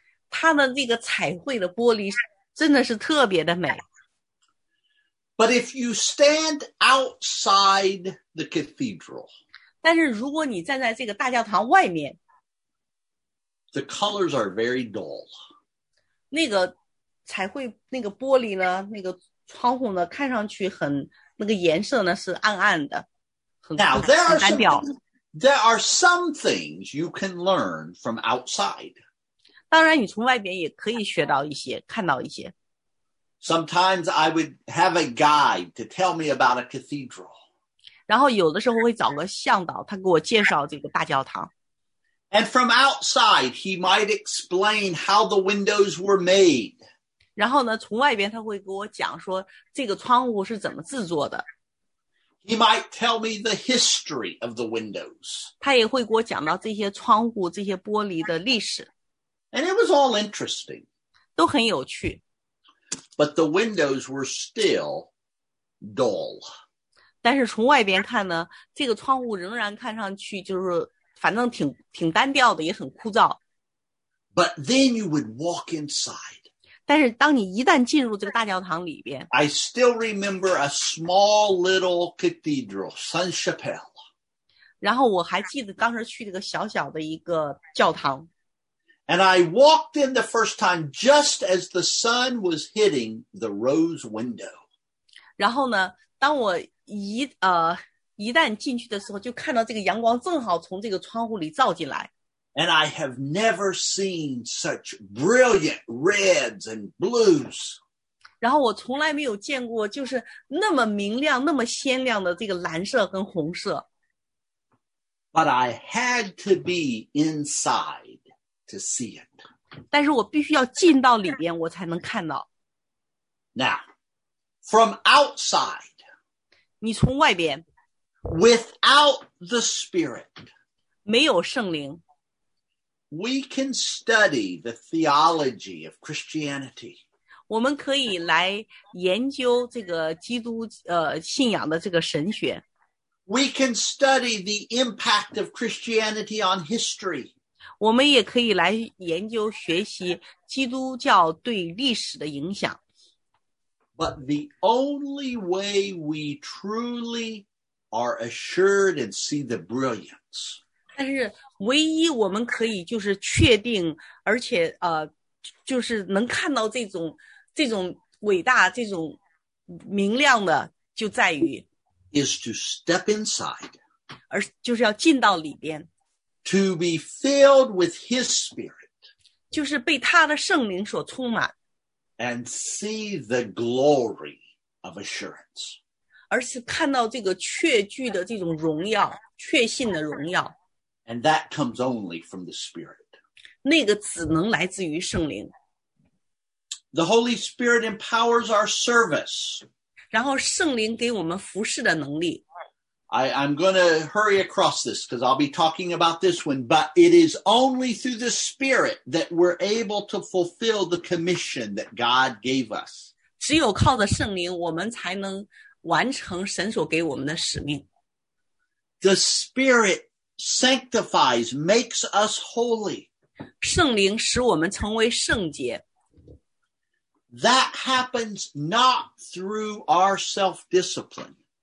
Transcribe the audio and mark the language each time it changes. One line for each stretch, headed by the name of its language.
Chinese: 它的那个彩绘的玻璃真的是特别的美。
English: But if you stand outside the cathedral,
Chinese: 但是如果你站在这个大教堂外面,
English: the colors are very dull.
Chinese: 那个彩绘那个玻璃呢，那个窗户呢，看上去很，那个颜色呢是暗暗的，很单调。
English: There are some things you can learn from outside.
Chinese: 当然你从外边也可以学到一些，看到一些。
English: Sometimes I would have a guide to tell me about a cathedral.
Chinese: 然后有的时候会找个向导，他给我介绍这个大教堂。
English: And from outside, he might explain how the windows were made.
Chinese: 然后呢，从外边他会给我讲说这个窗户是怎么制作的。
English: He might tell me the history of the windows.
Chinese: 他也会给我讲到这些窗户、这些玻璃的历史。
English: And it was all interesting.
Chinese: 都很有趣。
English: But the windows were still dull.
Chinese: 但是从外边看呢，这个窗户仍然看上去就是反正挺单调的，也很枯燥。
English: But then you would walk inside.
Chinese: 但是当你一旦进入这个大教堂里边
English: I still remember a small little cathedral, Saint-Chapelle.
Chinese: 然后我还记得当时去这个小小的一个教堂。
English: And I walked in the first time just as the sun was hitting the rose window.
Chinese: 然后呢当我一旦进去的时候就看到这个阳光正好从这个窗户里照进来。
English: And I have never seen such brilliant reds and blues.
Chinese: 然后我从来没有见过就是那么明亮那么鲜亮的这个蓝色跟红色。
English: But I had to be inside to see it.
Chinese: 但是我必须要进到里边我才能看到。
English: Now, from outside,
Chinese: 你从外边。
English: Without the Spirit,
Chinese: 没有圣灵。
English: We can study the theology of Christianity.
Chinese: 我们可以来研究这个基督信仰的这个神学。
English: We can study the impact of Christianity on history.
Chinese: 我们也可以来研究学习基督教对历史的影响。
English: But the only way we truly are assured and see the brilliance.
Chinese: 但是唯一我们可以就是确定而且就是能看到这种伟大这种明亮的就在于
English: is to step inside.
Chinese: 而就是要进到里边。
English: To be filled with His Spirit.
Chinese: 就是被他的圣灵所充满。
English: And see the glory of assurance.
Chinese: 而是看到这个确据的这种荣耀，确信的荣耀。
English: And that comes only from the Spirit.
Chinese: 那个只能来自于圣灵。
English: The Holy Spirit empowers our service.
Chinese: 然后圣灵给我们服事的能力。
English: I'm going to hurry across this because I'll be talking about this one, but it is only through the Spirit that we're able to fulfill the commission that God gave us.
Chinese: 只有靠着圣灵，我们才能完成神所给我们的使命。
English: The Spirit sanctifies, makes us holy.
Chinese: 圣灵使我们成为圣洁。
English: That happens not through our self-discipline.